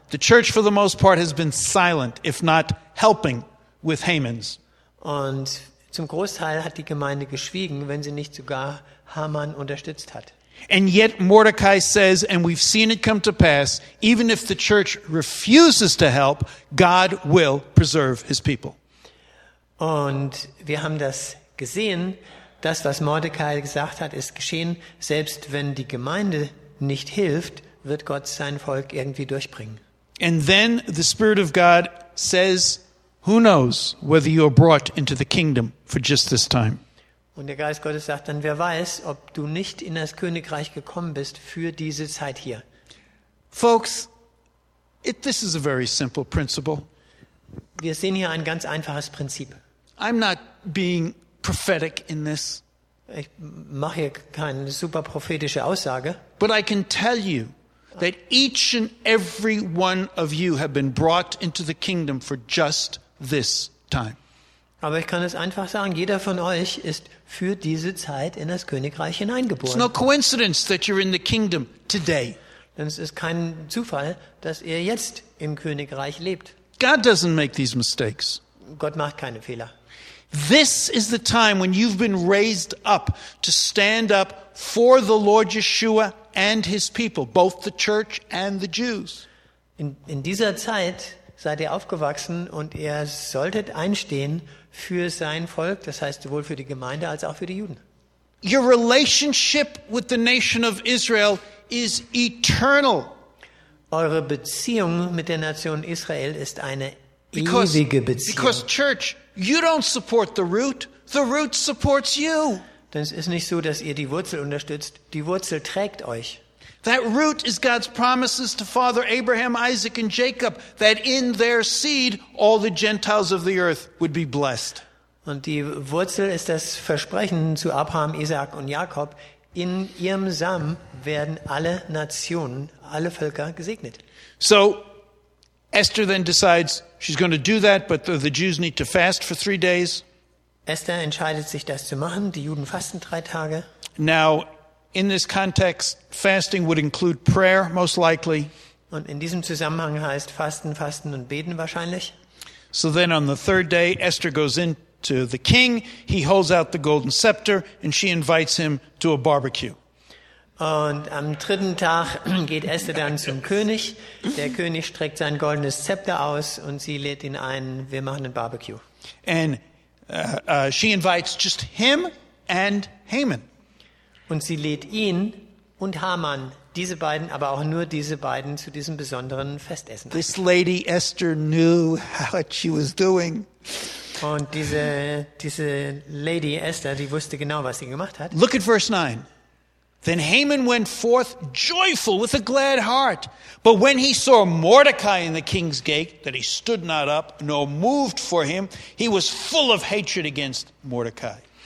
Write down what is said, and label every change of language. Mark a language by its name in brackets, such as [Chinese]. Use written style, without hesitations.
[English] The church for the most part has been silent, if not helping with Haman's. [German] Und zum Großteil hat die Gemeinde geschwiegen, wenn sie nicht sogar Haman unterstützt hat. [English] And yet Mordecai says, and we've seen it come to pass, even if the church refuses to help, God will preserve his people. [German] Und wir haben das gesehen. Das, was Mordecai gesagt hat, ist geschehen. Selbst wenn die Gemeinde nicht hilft, wird Gott sein Volk irgendwie durchbringen. [English] And then the Spirit of God says, who knows whether you are brought into the kingdom for just this time. [German] Und der Geist Gottes sagt dann, wer weiß, ob du nicht in das Königreich gekommen bist für diese Zeit hier. [English] Folks, this is a very simple principle. [German] Wir sehen hier ein ganz einfaches Prinzip. [English] I'm not being prophetic in this. [German] Ich mache hier keine super prophetische Aussage. [English] But I can tell you that each and every one of you have been brought into the kingdom for just this time. [German] Aber ich kann es einfach sagen, jeder von euch ist für diese Zeit in das Königreich hineingeboren. [English] It's no coincidence that you're in the kingdom today. [German] Denn es ist kein Zufall, dass ihr jetzt im Königreich lebt. [English] God doesn't make these mistakes. [German] Gott macht keine Fehler. [English] This is the time when you've been raised up to stand up for the Lord Yeshua and his people, both the church and the Jews. [German] In dieser Zeit seid ihr aufgewachsen und ihr solltet einstehen für sein Volk, das heißt sowohl für die Gemeinde als auch für die Juden. [English] Your relationship with the nation of Israel is eternal. [German] Eure Beziehung mit der Nation Israel ist eine ewige Beziehung. [English] Because church, you don't support the root supports you. [German] Denn es ist nicht so, dass ihr die Wurzel unterstützt, die Wurzel trägt euch. [English] That root is God's promises to Father Abraham, Isaac and Jacob that in their seed all the Gentiles of the earth would be blessed. [German] Und die Wurzel ist das Versprechen zu Abraham, Isaac und Jakob. In ihrem Samen werden alle Nationen, alle Völker gesegnet. [English] So Esther then decides she's going to do that, but the Jews need to fast for 3 days. [German] Esther entscheidet sich, das zu machen. Die Juden fasten 3 Tage. [English] Now, in this context, fasting would include prayer, most likely. [German] Und in diesem Zusammenhang heißt Fasten, Fasten und Beten wahrscheinlich. [English] So then on the third day, Esther goes in to the king. He holds out the golden scepter and she invites him to a barbecue. [German] Und am dritten Tag geht Esther dann zum König. Der König streckt sein goldenes Zepter aus und sie lädt ihn ein. Wir machen ein Barbecue. [English] And she invites just him and Haman. [German] Und sie lädt ihn und Haman, diese beiden, aber auch nur diese beiden, zu diesem besonderen Festessen. [English] This lady Esther knew what she was doing. [German] Und diese Lady Esther, die wusste genau, was sie gemacht hat. [English] Look at verse 9. Then Haman went forth joyful with a glad heart. But when he saw Mordecai in the king's gate, that he stood not up, nor moved for him, he was full of hatred against Mordecai.